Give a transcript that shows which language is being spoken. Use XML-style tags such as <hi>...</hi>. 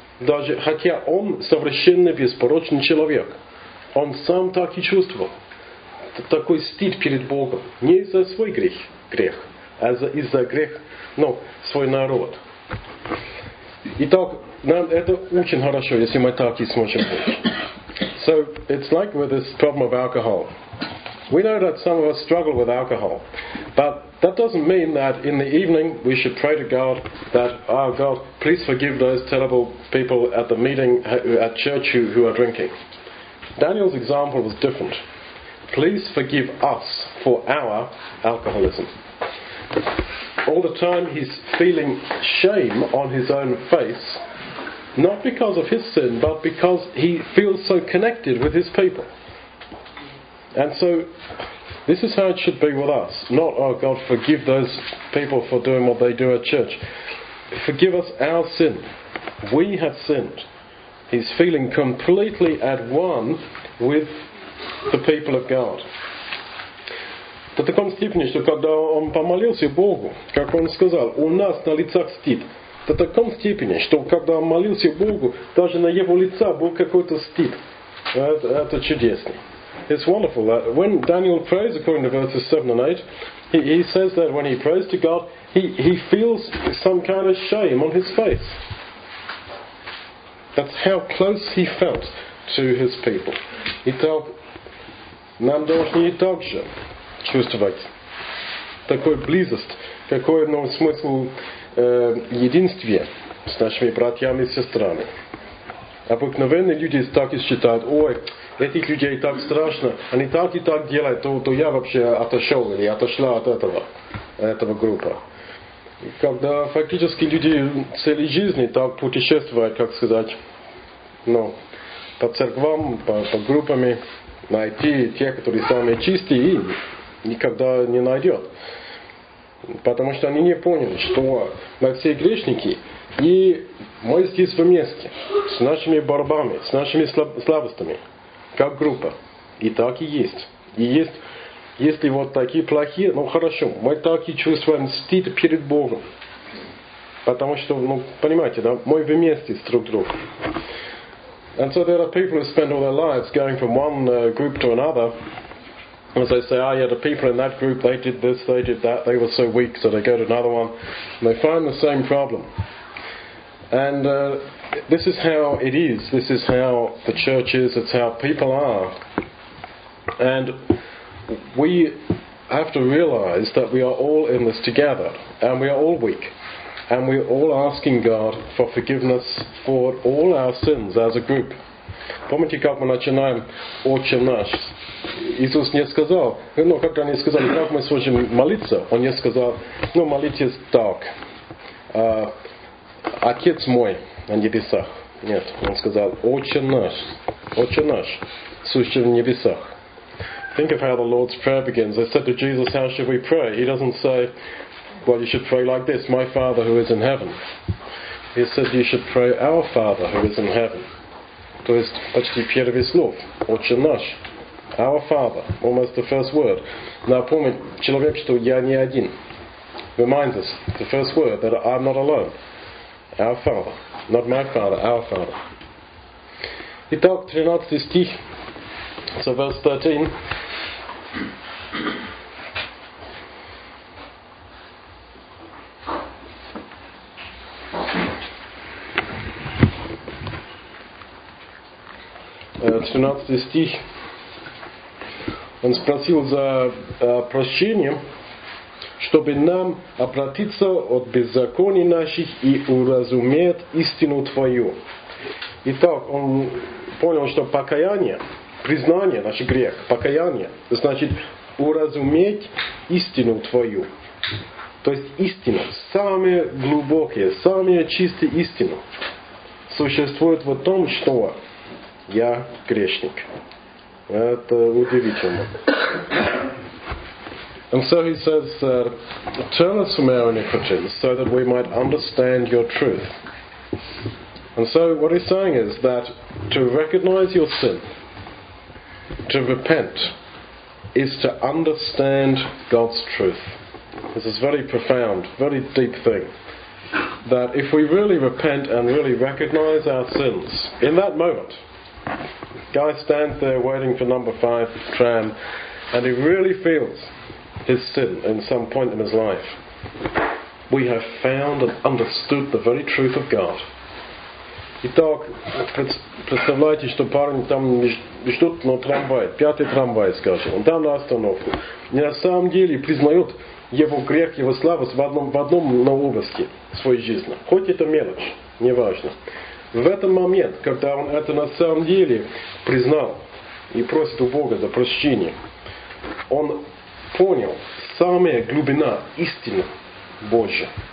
<ru>Даже хотя он совершенно беспорочный человек, он сам так и чувствовал. Такой стыд перед Богом. Не из-за свой грех, а из-за грех, свой народ. Итак, нам это очень хорошо, если мы так и сможем быть.</ru> <en>So, it's like with this problem of alcohol. We know that some of us struggle with alcohol. But that doesn't mean that in the evening we should pray to God that, oh God, please forgive those terrible people at the meeting, at church who are drinking. Daniel's example was different. Please forgive us for our alcoholism. All the time he's feeling shame on his own face, not because of his sin, but because he feels so connected with his people. And so this is how it should be with us. Not, oh God, forgive those people for doing what they do at church. Forgive us our sin. We have sinned. He's feeling completely at one with the people of God.</en> <ru>В таком степени, что когда он помолился Богу, как он сказал, у нас на лицах стыд. В таком степени, что когда он молился Богу, даже на его лице был какой-то стыд. Это чудесно.</ru> <en>It's wonderful that when Daniel prays, according to verses 7 and 8, he says that when he prays to God, he feels some kind of shame on his face. That's how close he felt to his people.</en> <ru>Итак, нам должны также чувствовать такую близость, какой смысл единства с нашими братьями и сестрами. Обыкновенные люди так и считают, ой, этих людей так страшно, они так и так делают, то я вообще отошел или отошла от этого группа. И когда фактически люди целой жизни так путешествуют, как сказать, по церквам, по группами найти тех, которые самые чистые, и никогда не найдет. Потому что они не поняли, что мы все грешники, и мы здесь вместе, с нашими борьбами, с нашими слабостями, как группа. И так и есть. И есть, если вот такие плохие, ну хорошо, мы так и чувствуем стыд перед Богом. Потому что, ну, понимаете, да, мы вместе с друг другом.</ru> <en>And so there are people who spend all their lives going from one group to another. As they say, oh yeah, the people in that group, they did this, they did that, they were so weak, so they go to another one. And they find the same problem. And this is how it is. This is how the church is. It's how people are. And we have to realize that we are all in this together. And we are all weak. And we're all asking God for forgiveness for all our sins as a group.</en> <ru>Помните, как мы начинаем «Отче наш»? Иисус не сказал, ну, как они сказали, как мы сможем молиться? Он не сказал, ну, молитесь так. Отец мой на небесах. Нет, он сказал, Отче наш, сущий в небесах.</ru> <en>Think of how the Lord's Prayer begins. They said to Jesus, how should we pray? He doesn't say, well, you should pray like this, my Father who is in heaven. He said, you should pray our Father who is in heaven.</en> <ru>То есть почти первый слов, Отче наш,</ru> <en>our Father, almost the first word.</en> <ru>Напомнит человек, что я не один.</ru> <en>Reminds us, the first word, that I'm not alone. Our Father, not my Father, our Father.</en> <ru>Итак, 13 стих,</ru> <en>so verse 13.</en> <ru>Тринадцатый стих. Он спросил за прощением, чтобы нам обратиться от беззаконий наших и уразуметь истину Твою. Итак, он понял, что покаяние, признание, наш грех, покаяние, значит уразуметь истину Твою. То есть истина, самая глубокая, самая чистая истина существует в том, что я грешник. Это удивительно.</ru> <en>And so he says, turn us from our iniquities so that we might understand your truth. And so what he's saying is that to recognize your sin, to repent, is to understand God's truth. This is very profound, very deep thing. That if we really repent and really recognize our sins, in that moment, guy stands there waiting for number 5 tram, and he really feels his sin in some point in his life. We have found and understood the very truth of God.</en> <ru>Итак, представляете, что парень там ждет на трамвай, пятый трамвай, скажем, он там на остановку. И на самом деле признает его грех, его слабость в одном на области своей жизни. Хоть это мелочь, неважно. В этот момент, когда он это на самом деле признал и просит у Бога за прощение, он понял самая глубина истины Божья.</ru>